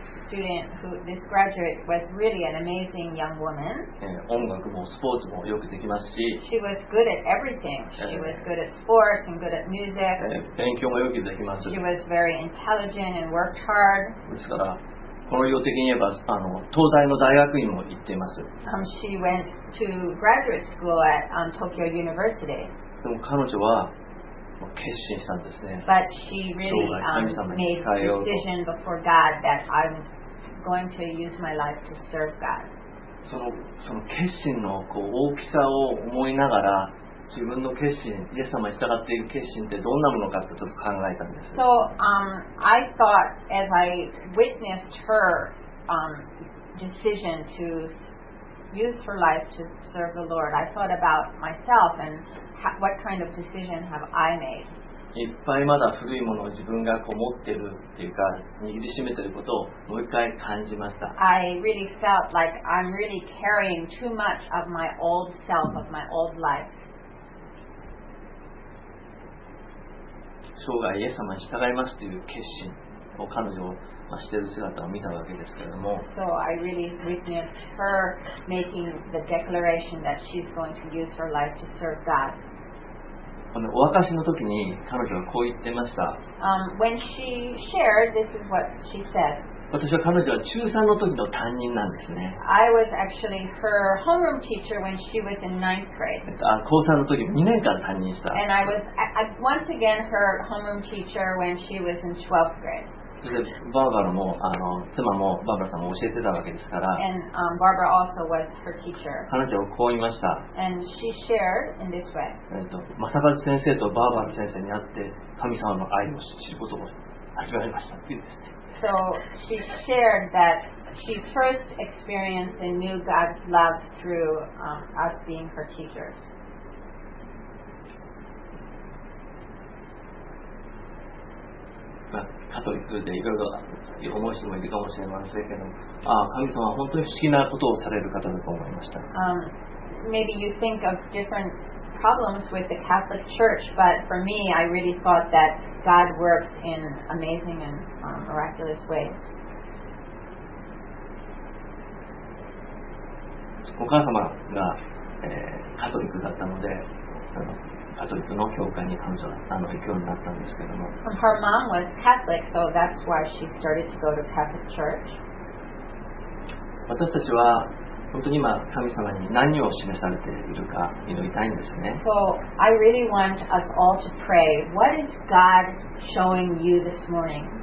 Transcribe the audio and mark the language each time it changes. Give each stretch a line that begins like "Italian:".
English: This graduate was really an amazing young woman.
Japanese: 音楽もスポーツもよくできますし。
English: She was good at everything. She was good at sports and good at music.
Japanese: 勉強もよくできます。
English: She was very intelligent and worked hard.
Japanese: ですから、この用的に言えば、東大の大学院も行っています。
English: She went to graduate school at, Tokyo University.
Japanese: でも彼女は決心したんですね。
English: But she really, made a decision before God that I'm going to use my life to serve God.
Japanese: その決心のこう大きさを思いながら、自分の決心、イエス様に従っている決心ってどんなものかってちょっと考えたんです。
English: So, I thought as I witnessed her, decision to use her life to serve the Lord, I thought about myself and. What kind of decision have I made?
Japanese: いっぱいまだ古いものを自分がこう持ってるっていうか握りしめてることをもう一回感じました。
English: I really felt like I'm really carrying too much of my old self, of my old life.
Japanese: 生涯イエス様に従いますという決心を彼女をしている姿を見たわけですけれども。
English: So I really witnessed her making the declaration that she's going to use her life to serve God.
Japanese: お明かしの時に彼女はこう言ってました。
English: When she shared, this is what she said.
Japanese: 私は彼女は中3の時の担任なんですね。
English: I was actually her homeroom teacher when she was in ninth grade.
Japanese: 高3の時2年間担任した。
English: And I was once again her homeroom teacher when she was in 12th grade.
Japanese: でバーバラも妻もバーバラさんも教えてたわけですから
English: And,、Barbara also was her teacher.
Japanese: 彼女はこう言いました
English: And she shared in this way.
Japanese: 正和先生とバーバラ先生に会って神様の愛を知ることを始まりましたって言うんですね
English: So she shared that she first experienced and knew God's love through, us being her teachers.
Japanese: カトリックでいろいろ思う人もいるかもしれませんけど、神様は本当に不思議なことをされる方だと思いました。
English: Maybe you think of different problems with the Catholic Church, but for me, I really thought that God works in amazing and, miraculous ways.
Japanese: お母様が、カトリックだったので、カトリックの教会に彼女は行くようになったんですけども。
English: Her mom was Catholic, so that's why she started to go to Catholic Church.
Japanese: 私たちは本当に今神様に何を示されているか祈りたいんですね。
English: So I really want us all to pray. What is God showing you this morning?